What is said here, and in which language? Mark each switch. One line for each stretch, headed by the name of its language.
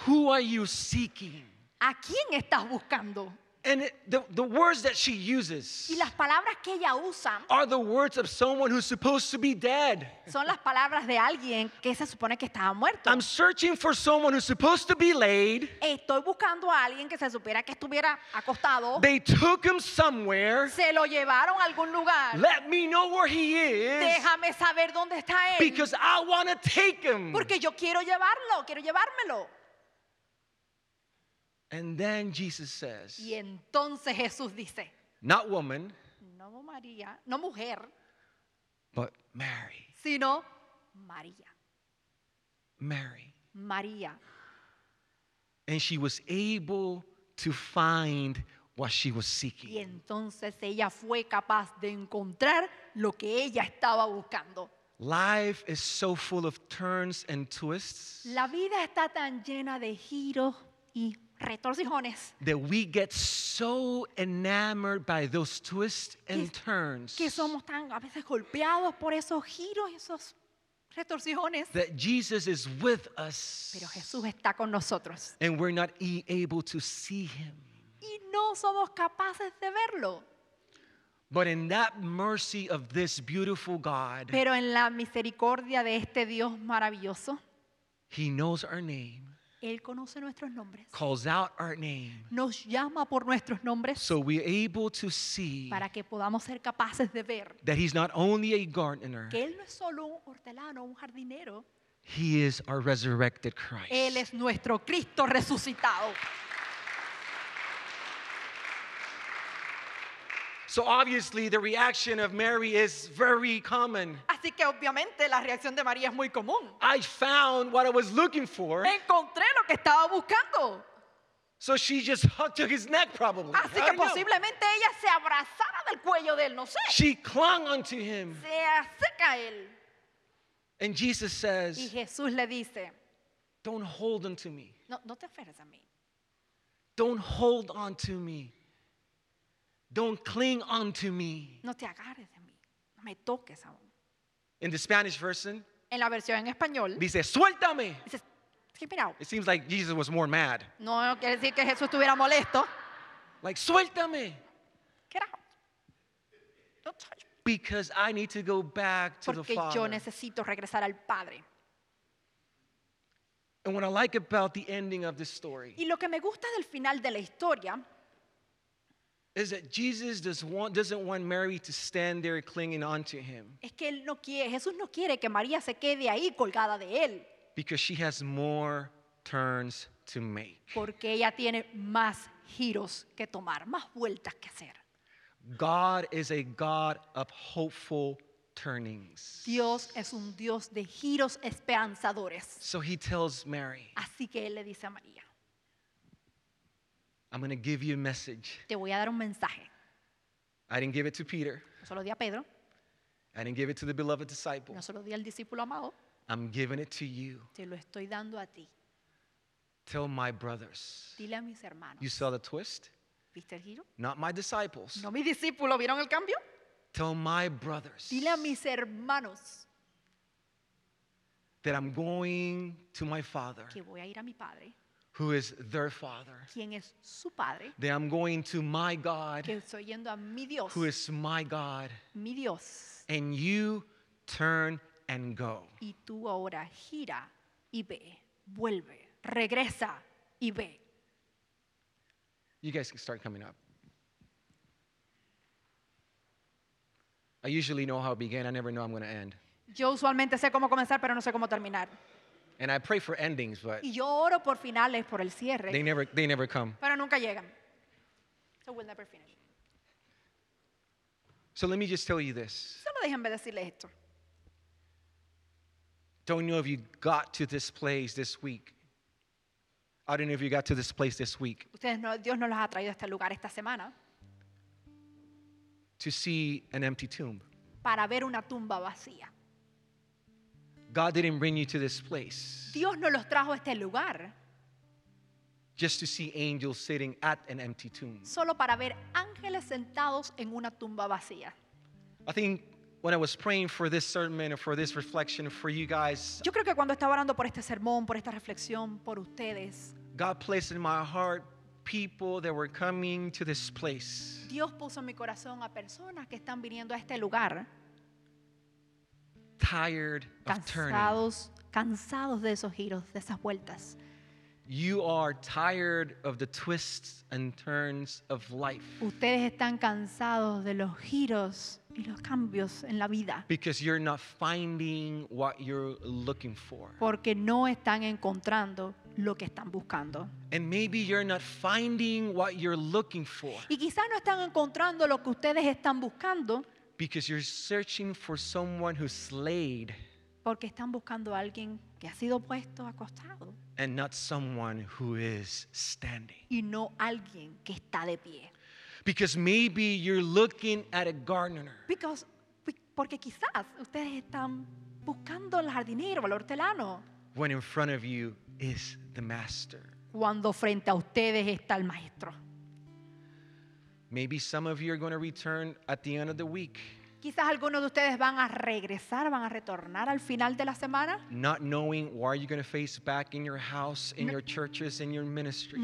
English: Who are you seeking?
Spanish: ¿A quién estás buscando?
English: And the words that she uses
Spanish: y las palabras que ella usa
English: are the words of someone who's supposed to be dead.
Spanish: Son las palabras de alguien que se supone que estaba muerto.
English: I'm searching for someone who's supposed to be laid.
Spanish: Estoy buscando a alguien que se supiera que estuviera acostado.
English: They took him somewhere.
Spanish: Se lo llevaron a algún lugar.
English: Let me know where he is.
Spanish: Déjame saber dónde está él.
English: Because I want to take him.
Spanish: Porque yo quiero llevarlo, quiero llevármelo.
English: And then Jesus says,
Spanish: y entonces Jesús dice,
English: not woman,
Spanish: no María, no mujer,
English: but Mary,
Spanish: sino María.
English: Mary.
Spanish: María.
English: And she was able to find what she was seeking.
Spanish: Y entonces ella fue capaz de encontrar lo que ella estaba buscando.
English: Life is so full of turns and twists.
Spanish: La vida está tan llena de giros y
English: that we get so enamored by those twists and turns
Spanish: que somos tan a veces golpeados por esos giros y esos retorcijones
English: that Jesus is with us
Spanish: pero Jesús está con nosotros
English: and we're not able to see him
Spanish: y no somos capaces de verlo.
English: But in that mercy of this beautiful God
Spanish: pero en la misericordia de este Dios maravilloso
English: he knows our name.
Spanish: Él conoce nuestros nombres.
English: Calls out our name.
Spanish: Nos llama por nuestros nombres.
English: So we're able to see.
Spanish: Para que podamos ser capaces de ver.
English: That he's not only a gardener.
Spanish: Que él no es solo un hortelano, un jardinero.
English: He is our resurrected Christ.
Spanish: Él es nuestro Cristo resucitado.
English: So obviously the reaction of Mary is very common.
Spanish: Así que obviamente la reacción de María es muy común.
English: I found what I was looking for.
Spanish: Encontré lo que estaba buscando.
English: So she just hugged to his neck probably.
Spanish: Así que posiblemente ella se abrazara del cuello de él, no sé.
English: She clung unto him.
Spanish: Se acerca a él.
English: And Jesus says,
Spanish: y Jesús le dice,
English: don't hold on to me.
Spanish: No te aferres a mí.
English: Don't hold on to me. Don't cling onto me.
Spanish: No te agarres de mí. No me toques aún.
English: In the Spanish version,
Spanish: en la versión en español, dice, suéltame. Dice,
English: keep it out. It seems like Jesus was more mad.
Spanish: No, no quiere decir que Jesús estuviera molesto. Like, suéltame.
English: Get out. Don't touch me. Because I need to go back to
Spanish: porque
English: the Father.
Spanish: Porque yo necesito regresar al Padre.
English: And what I like about the ending of this story.
Spanish: Y lo que me gusta del final de la historia
English: is that Jesus doesn't want Mary to stand there clinging onto him.
Spanish: Es que él no quiere, Jesús no quiere que María se quede ahí colgada de él.
English: Because she has more turns to make.
Spanish: Porque ella tiene más giros que tomar, más vueltas que hacer.
English: God is a God of hopeful turnings.
Spanish: Dios es un Dios de giros esperanzadores.
English: So he tells Mary.
Spanish: Así que él le dice a María.
English: I'm going to give you a message.
Spanish: Te voy a dar un mensaje.
English: I didn't give it to Peter.
Spanish: No solo di a Pedro.
English: I didn't give it to the beloved disciple.
Spanish: No solo di al discípulo amado.
English: I'm giving it to you.
Spanish: Te lo estoy dando a ti.
English: Tell my brothers.
Spanish: Dile a mis hermanos.
English: You saw the twist?
Spanish: ¿Viste el giro?
English: Not my disciples.
Spanish: ¿No mi discípulo vieron el cambio?
English: Tell my brothers.
Spanish: Dile a mis hermanos.
English: That I'm going to my father.
Spanish: Que voy a ir a mi padre.
English: Who is their father.
Spanish: Quien es su padre.
English: That I'm going to my God.
Spanish: Que estoy yendo a mi Dios.
English: Who is my God.
Spanish: Mi Dios.
English: And you turn and go.
Spanish: Y tú ahora gira y ve. Vuelve. Regresa y ve.
English: You guys can start coming up. I usually know how it began. I never know how I'm going to end.
Spanish: Yo usualmente sé cómo comenzar, pero no sé cómo terminar.
English: And I pray for endings, but
Spanish: y yo oro por finales, por el cierre.
English: They never come.
Spanish: Pero nunca llegan.
English: So we'll never finish. So let me just tell you this.
Spanish: Solo déjenme decirles esto.
English: Don't know if you got to this place this week. I don't know if you got to this place this week.
Spanish: Ustedes no, Dios no los ha traído a este lugar esta semana.
English: To see an empty tomb.
Spanish: Para ver una tumba vacía.
English: God didn't bring you to this place.
Spanish: Dios no los trajo a este lugar.
English: Just to see angels sitting at an empty tomb.
Spanish: Solo para ver ángeles sentados en una tumba vacía.
English: I think when I was praying for this sermon or for this reflection for you guys,
Spanish: yo creo que cuando estaba orando por este sermón, por esta reflexión, por ustedes,
English: God placed in my heart people that were coming to this place.
Spanish: Dios puso en mi corazón a personas que están viniendo a este lugar.
English: Tired
Spanish: cansados,
English: of turning.
Spanish: Cansados de esos giros, de esas vueltas.
English: You are tired of the twists and turns of life.
Spanish: Ustedes están cansados de los giros y los cambios en la vida.
English: Because you're not finding what you're looking for.
Spanish: Porque no están encontrando lo que están buscando.
English: And maybe you're not finding what you're looking for.
Spanish: Y quizás no están encontrando lo que ustedes están buscando.
English: Because you're searching for someone who's laid.
Spanish: Porque están buscando a alguien que ha sido puesto acostado.
English: And not someone who is standing.
Spanish: Y no alguien que está de pie.
English: Because maybe you're looking at a gardener.
Spanish: Porque quizás ustedes están buscando al jardinero, al hortelano.
English: When in front of you is the master.
Spanish: Cuando frente a ustedes está el maestro.
English: Maybe some of you are going to return at the end of the week.
Spanish: Quizás algunos de ustedes van a regresar, van a retornar al final de la semana.
English: Not knowing what are you going to face back in your house, in your churches, in your ministries.